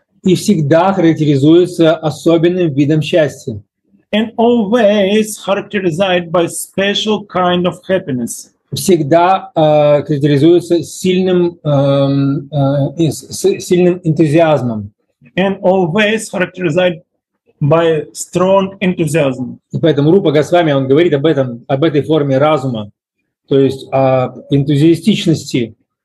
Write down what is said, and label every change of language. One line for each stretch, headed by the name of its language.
Russian: И всегда характеризуется особенным видом счастья.
English: And always characterized by special kind of happiness.
Russian: Всегда характеризуется сильным сильным энтузиазмом.
English: And always characterized by strong enthusiasm.
Russian: И поэтому Рупа Госвами, он говорит об этом, об этой форме разума, то есть об энтузиастичности.